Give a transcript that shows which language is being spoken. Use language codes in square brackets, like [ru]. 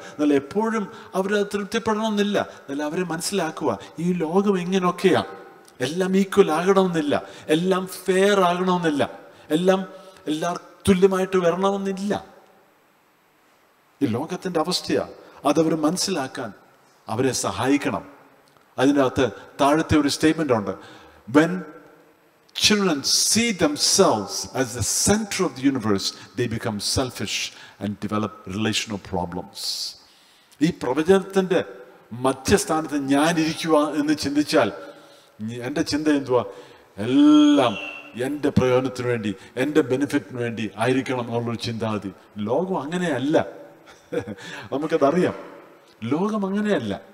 [ml] എന്നാൽ എപ്പോഴും അവരത് തൃപ്തിപ്പെടണമെന്നില്ല, എന്നാൽ അവരെ മനസ്സിലാക്കുക, ഈ ലോകം ഇങ്ങനെയൊക്കെയാണ്, എല്ലാം ഈക്വലാകണമെന്നില്ല, എല്ലാം ഫെയർ ആകണമെന്നില്ല, എല്ലാം എല്ലാവർക്കും തുല്യമായിട്ട് വരണമെന്നില്ല. ഈ ലോകത്തിൻ്റെ അവസ്ഥയാണ്, അതവർ മനസ്സിലാക്കാൻ അവരെ സഹായിക്കണം. അതിനകത്ത് താഴത്തെ ഒരു സ്റ്റേറ്റ്മെന്റ് ഉണ്ട്. [en] When children see themselves as the center of the universe, they become selfish and develop relational problems. [ml] ഈ പ്രപഞ്ചത്തിന്റെ മധ്യസ്ഥാനത്ത് ഞാൻ ഇരിക്കുക എന്ന് ചിന്തിച്ചാൽ എൻ്റെ ചിന്ത എന്തുവാ, എല്ലാം എൻ്റെ പ്രയോജനത്തിന് വേണ്ടി എൻ്റെ ബെനിഫിറ്റിന് വേണ്ടി ആയിരിക്കണം എന്നുള്ളൊരു ചിന്താഗതി. ലോകം അങ്ങനെയല്ല, നമുക്കതറിയാം. ലോകം അങ്ങനെയല്ല.